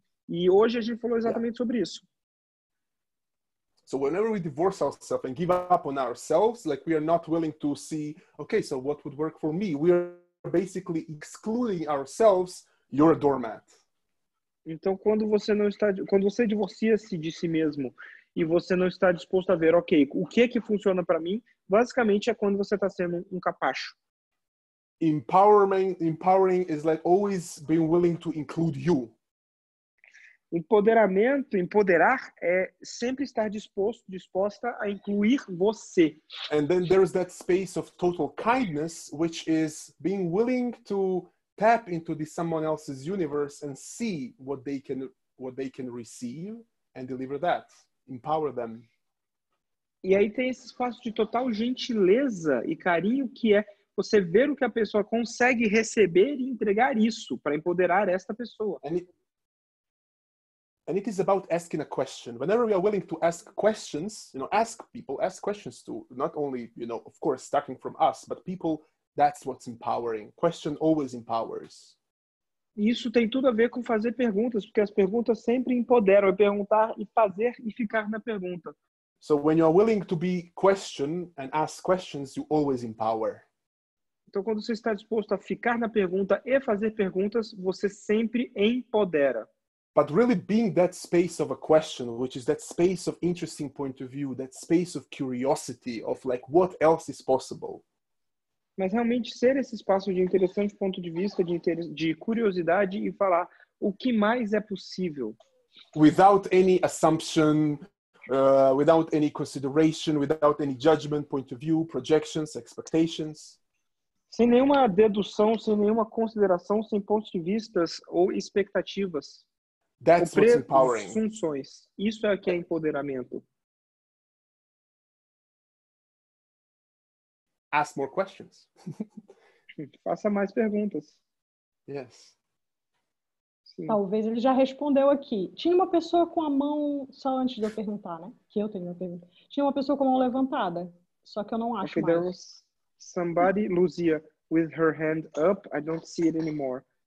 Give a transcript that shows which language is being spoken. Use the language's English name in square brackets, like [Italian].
[Portuguese] E hoje a gente falou exatamente sobre isso. [English] So whenever we divorce ourselves and give up on ourselves, like we are not willing to see, okay, so what would work for me? We are basically excluding ourselves, you're a doormat. [Portuguese] Então, quando você divorcia-se de si mesmo e você não está disposto a ver, ok, o que é que funciona para mim, basicamente é quando você está sendo um capacho. [English] Empowering is like always being willing to include you. [Portuguese] Empoderar é sempre estar disposta a incluir você. [English] And then there's that space of total kindness, which is being willing to tap into the someone else's universe and see what they can receive and deliver that. Empower them. [Portuguese] E aí tem esse espaço de total gentileza e carinho que é você ver o que a pessoa consegue receber e entregar isso para empoderar esta pessoa. [English] And it is about asking a question. Whenever we are willing to ask questions, you know, ask questions to not only, you know, of course, starting from us, but people, that's what's empowering. Question always empowers. [Portuguese] isso tem tudo a ver com fazer perguntas, porque as perguntas sempre empoderam, é perguntar e fazer e ficar na pergunta. [English] So when you're willing to be questioned and ask questions, you always empower. [Portuguese] Então quando você está disposto a ficar na pergunta e fazer perguntas, você sempre empodera. [English] But really being that space of a question, which is that space of interesting point of view, that space of curiosity, of like, what else is possible? [Portuguese] Mas realmente ser esse espaço de interessante ponto de vista, de curiosidade e falar o que mais é possível. [English] Without any assumption, without any consideration, without any judgment, point of view, projections, expectations. [Portuguese] Sem nenhuma dedução, sem nenhuma consideração, sem pontos de vista ou expectativas. [English] That's what's empowering. [Portuguese] Funções. Isso é o que é empoderamento. [English] Ask more questions. [Portuguese] Faça mais perguntas. [English] Yes. [Portuguese] Sim. Talvez ele já respondeu aqui. Tinha uma pessoa com a mão, só antes de eu perguntar, né? Que eu tenho uma pergunta. Tinha uma pessoa com a mão levantada, só que eu não acho [English] okay, [Portuguese] mais. [English] Somebody, Luzia, with her hand up, I don't see it anymore.